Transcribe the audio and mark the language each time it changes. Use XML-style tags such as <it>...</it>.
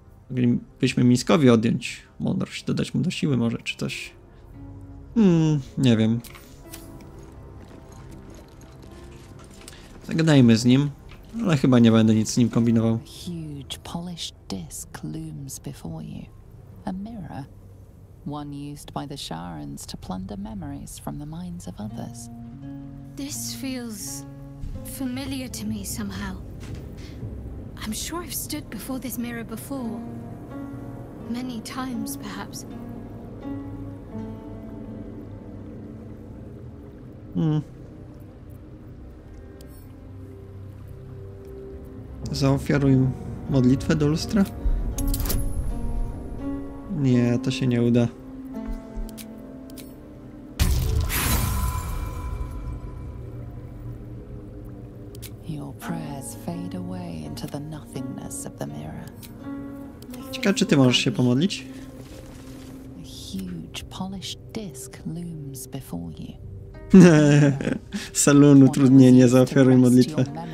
<pl>Moglibyśmy Miskowi odjąć mądrość, dodać mu do siły może, czy coś. Nie wiem. Zagadajmy z nim, ale chyba nie będę nic z nim kombinował.</pl> <en>Huge polished disc looms before you. A mirror. One used by the Sharans to plunder memories from the minds of others. This feels familiar to me somehow. I'm sure I've stood before this mirror before. Many times, perhaps.</en> <pl>Zaofiaruj modlitwę do lustra? Nie, to się nie uda.</pl> <en>Your prayers fade away into the nothingness of the mirror.</en> <pl>Ciekawe, czy ty możesz się pomodlić?</pl> <en>A huge polished disc looms before you.</en> <pl>Salon utrudnienie, zaoferuj modlitwę.</pl>